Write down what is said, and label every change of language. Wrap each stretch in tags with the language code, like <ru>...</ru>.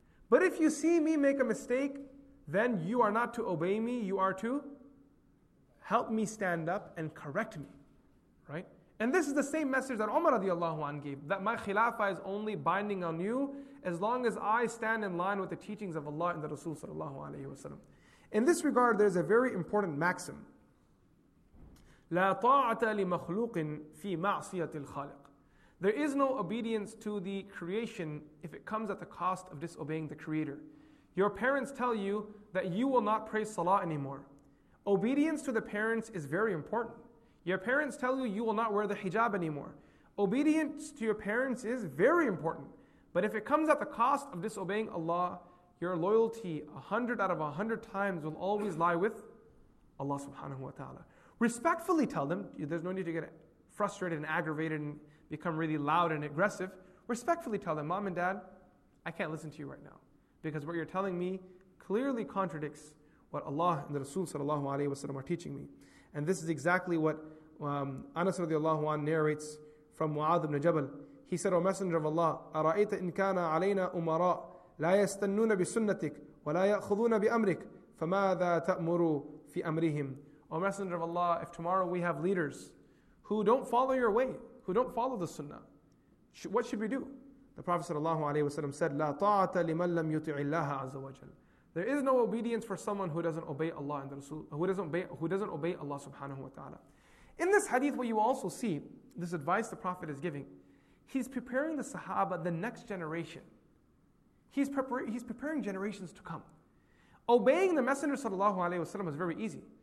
<en>But if you see me make a mistake, then you are not to obey me, you are to help me stand up and correct me. Right? And this is the same message that Umar radiallahu anhu gave, that my khilafah is only binding on you as long as I stand in line with the teachings of Allah and the Rasul sallallahu alayhi wa sallam. In this regard, there's a very important maxim.</en> <ar>لا طاعة لمخلوق في معصية الخالق.</ar> <en>There is no obedience to the creation if it comes at the cost of disobeying the Creator. Your parents tell you that you will not pray Salah anymore. Obedience to the parents is very important. Your parents tell you will not wear the hijab anymore. Obedience to your parents is very important. But if it comes at the cost of disobeying Allah, your loyalty 100 out of 100 times will always lie with Allah subhanahu wa ta'ala. Respectfully tell them, there's no need to get frustrated and aggravated and become really loud and aggressive. Respectfully tell them, Mom and Dad, I can't listen to you right now. Because what you're telling me clearly contradicts what Allah and the Rasul sallallahu alayhi wa sallam are teaching me. And this is exactly what Anas radiallahu anhu narrates from Mu'adh ibn Jabal. He said, O Messenger of Allah,</en> <ar>أَرَأَيْتَ إِن كَانَ عَلَيْنَا أُمَرَاءَ لَا يَسْتَنُّونَ بِسُنَّتِكَ وَلَا يَأْخُذُونَ بِأَمْرِكَ فَمَاذَا تَأْمُرُوا fi amrihim.</ar> <en>O Messenger of Allah, if tomorrow we have leaders who don't follow your way, who don't follow the sunnah, what should we do? The Prophet sallallahu alaihi wasallam said,</en> <ar>لا طاعة لمن لم يطع الله عز وجل.</ar> <en>There is no obedience for someone who doesn't obey Allah and the Rasul, who doesn't obey Allah subhanahu wa ta'ala. In this hadith, what you also see, this advice the Prophet is giving, he's preparing the Sahaba, the next generation. He's preparing generations to come. Obeying the Messenger sallallahu alaihi wasallam is very easy.</en>